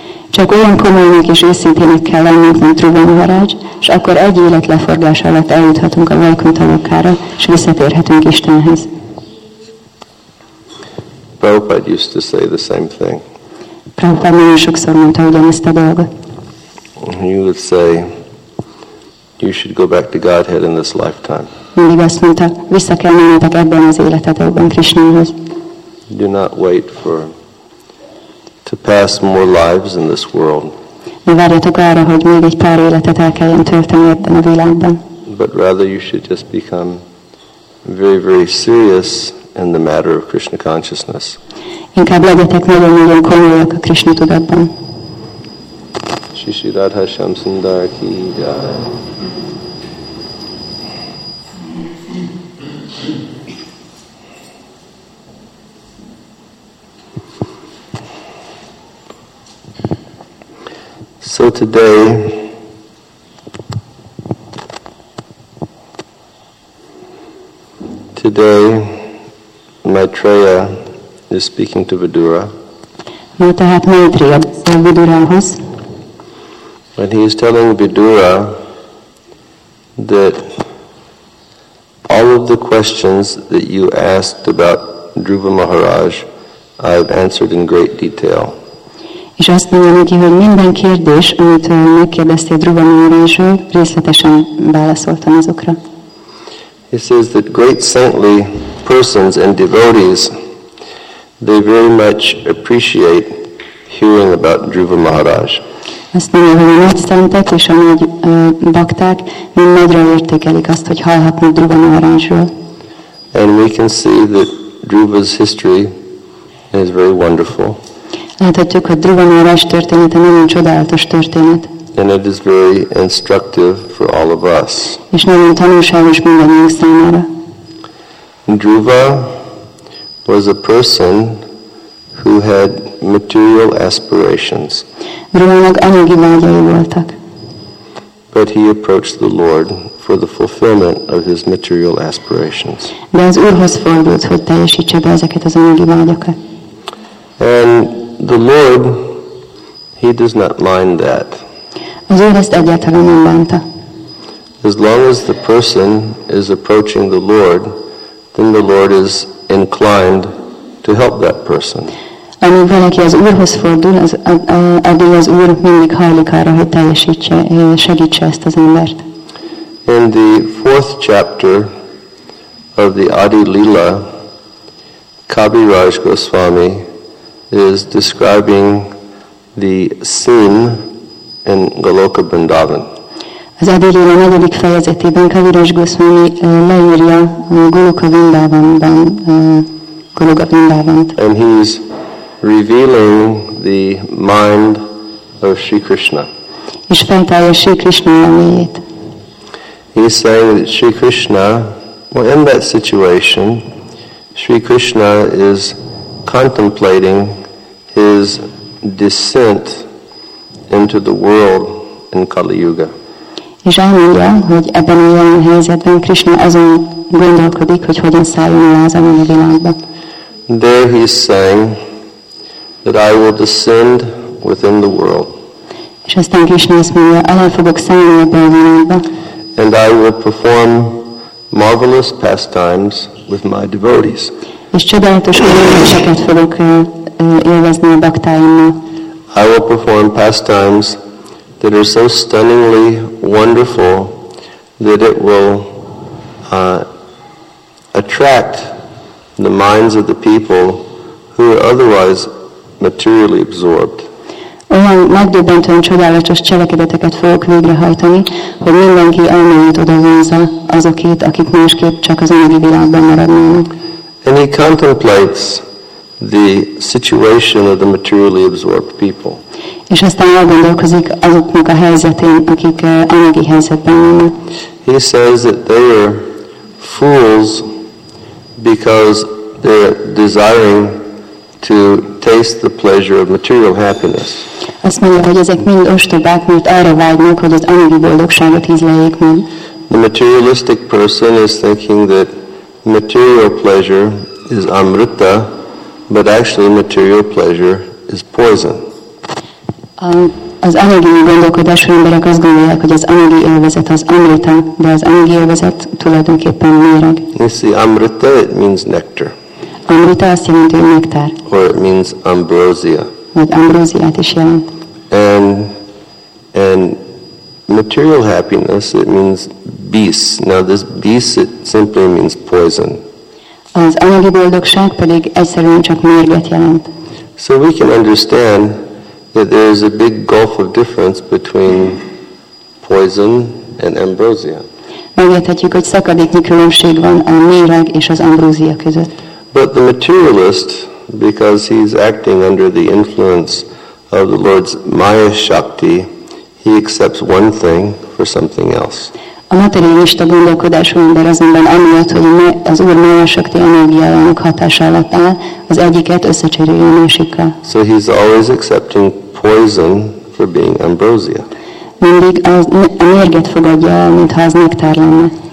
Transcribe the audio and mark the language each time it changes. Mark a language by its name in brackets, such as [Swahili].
[Hungarian] Csak olyan komolynak és őszintének kell lennünk, mint Dhruva Maharaj, és akkor egy élet leforgása alatt eljuthatunk a Vaikuntha Lokára, és visszatérhetünk Istenhez. [English] Prabhupada used to say the same thing. [Hungarian] Prabhupada nagyon sokszor mondta ugyanezt a dolgot. [English] You would say, you should go back to Godhead in this lifetime. [Hungarian] Mindig azt mondta, vissza kell mennetek ebben az életetekben Krishnához. [English] Do not wait for to pass more lives in this world. [Hungarian] Ne várjatok arra, hogy még egy pár életet el kelljen tölteni ebben a világban. [English] But rather you should just become very, very serious in the matter of Krishna consciousness. [Hungarian] Inkább legyetek nagyon-nagyon komolyak a Krishna tudatban. [Hindi] Shri Radha Shyam Sundar ki jai. [English] So today, Maitreya is speaking to Vidura. [Hungarian] Ma tehát Maitreya beszél Vidurához. [English] And he is telling Vidura that all of the questions that you asked about Dhruva Maharaj, I've answered in great detail. [Hungarian] És azt mondja neki, hogy minden kérdés, amit megkérdeztél Dhruva Maharajról, részletesen válaszoltam azokra. [English] He says that great saintly persons and devotees, they very much appreciate hearing about Dhruva Maharaj. [Hungarian] Azt mondja, hogy a nagy szentek és a nagy bakták mind nagyra értékelik azt, hogy hallhatnak Dhruva Maharajról. [English] And we can see that Dhruva's history is very wonderful. [Hungarian] Láthatjuk, hogy Dhruva Maharaj története nagyon csodálatos történet. [English] And it is very instructive for all of us. [Hungarian] És nagyon tanulságos mindannyiunk számára. [English] Dhruva was a person who had material aspirations. [Hungarian] Dhruvának anyagi vágyai voltak. [English] But he approached the Lord for the fulfillment of his material aspirations. [Hungarian] De az Úrhoz fordult, hogy teljesítse be ezeket az anyagi vágyakat. [English] And the Lord, he does not mind that. [Hungarian] Az Úr ezt egyáltalán nem bánta. [English] As long as the person is approaching the Lord, then the Lord is inclined to help that person. [Hungarian] Amíg valaki az Úrhoz fordul, addig az Úr mindig hajlik arra, hogy teljesítse, segítse ezt az embert. [English] In the fourth chapter of the Adi Lila, Kaviraj Goswami is describing the scene in Goloka Vrindavan. [Hungarian] Az Adi Lila negyedik fejezetében Kaviraj Goswami leírja Goloka Vrindavanban Goloka Vrindavant. [English] And he is revealing the mind of Sri Krishna. [Hungarian] És feltárja Sri Krishna elméjét. [English] He is saying that Sri Krishna, well, in that situation, Sri Krishna is contemplating his descent into the world in Kali Yuga. [Hungarian] És elmondja, hogy ebben a jelen helyzetben Krishna azon gondolkodik, hogy hogyan szálljon el az anyagi világba. [English] There he is saying that I will descend within the world. [Hungarian] És aztán Krishna azt mondja, alá fogok szállni ebbe a világba. [English] And I will perform marvelous pastimes with my devotees. [Hungarian] És csodálatos különbözőket fogok élvezni a baktáimmal. [English] I will perform pastimes that are so stunningly wonderful that it will attract the minds of the people who are otherwise materially absorbed. [Hungarian] Olyan megdöbbentően csodálatos cselekedeteket fogok végrehajtani, hogy mindenki elmélyét oda vonza azokét, akik másképp csak az anyagi világban maradnának. [English] And he contemplates the situation of the materially absorbed people. [Hungarian] És aztán elgondolkozik azoknak a helyzetén, akik anyagi helyzetben vannak. [English] He says that they are fools because they're desiring to taste the pleasure of material happiness. [Hungarian] Azt mondja, hogy ezek mind ostobák, mert arra vágynak, hogy az anyagi boldogságot ízleljék meg. [English] The materialistic person is thinking that material pleasure is amrita, but actually material pleasure is poison. [Hungarian] Az anyagi gondolkodású emberek azt gondolják, hogy az anyagi élvezet az amrita, de az anyagi élvezet tulajdonképpen méreg. [English] You see, amrita, it means nectar. [Hungarian] Amrita azt jelenti, hogy nektár. [English] Or it means ambrosia. [Hungarian] majd ambróziát is jelent. [English] And material happiness, it means bis. Now this bis, it simply means poison. [Hungarian] Az anyagi boldogság pedig egyszerűen csak mérget jelent. [English] So we can understand that there is a big gulf of difference between poison and ambrosia. [Hungarian] Megérthetjük, hogy szakadéknyi különbség van a méreg és az ambrózia között. [English] But the materialist, because he's acting under the influence of the Lord's Maya Shakti, he accepts one thing for something else. [Hungarian] A materialista gondolkodású ember azonban amiatt, hogy az Úr Maya Shakti energiájának hatása alatt áll, az egyiket összecserélje a másikkal. [English] So he's always accepting poison for being ambrosia. [Hungarian] Mindig a mérget fogadja el, mintha az nektár lenne.